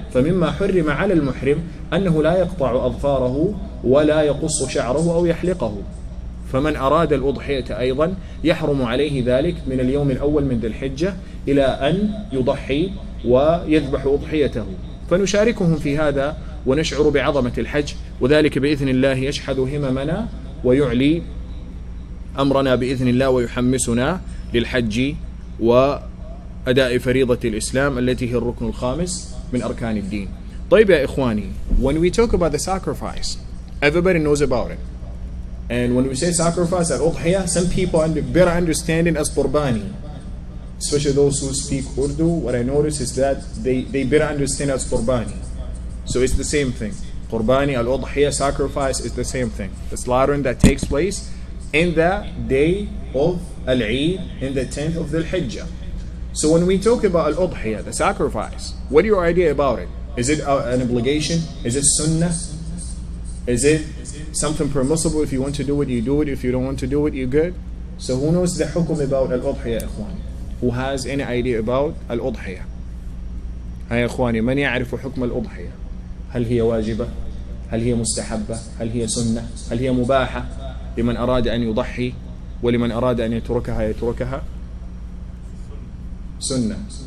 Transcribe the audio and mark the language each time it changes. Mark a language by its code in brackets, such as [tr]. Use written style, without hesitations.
[ar] فمما حرم على المحرم أنه لا يقطع أظفاره ولا يقص شعره أو يحلقه, فمن أراد الأضحية أيضا يحرم عليه ذلك من اليوم الأول من ذي الحجة إلى أن يضحي ويذبح أضحيته, فنشاركهم في هذا ونشعر بعظمة الحج, وذلك بإذن الله يشحد هممنا ويعلي أمرنا بإذن الله ويحمسنا للحج وأداء فريضة الإسلام التي هي الركن الخامس من أركان الدين. طيب يا إخواني, [en] when we talk about the sacrifice, everybody knows about it. And when we say sacrifice, الأضحية, some people better understanding as qurbani, especially those who speak Urdu. What I notice is that they better understand as qurbani. So it's the same thing. Qurbani, الأضحية, sacrifice is the same thing. The slaughtering that takes place in the day of Al-Eid, in the 10th of Dhul Hijjah. So when we talk about Al-Udhiya, the sacrifice, what is your idea about it? Is it an obligation? Is it sunnah? Is it something permissible? If you want to do it, you do it. If you don't want to do it, you're good. So who knows the hukum about Al-Udhiya, ikhwan? Who has any idea about Al-Udhiya? [ar] هاي أخواني، من يعرف حكم الأضحية؟ هل هي واجبة؟ هل هي مستحبة؟ هل هي سنة؟ هل هي مباحة لمن أراد أن يضحي ولمن أراد أن يتركها يتركها؟ سنة.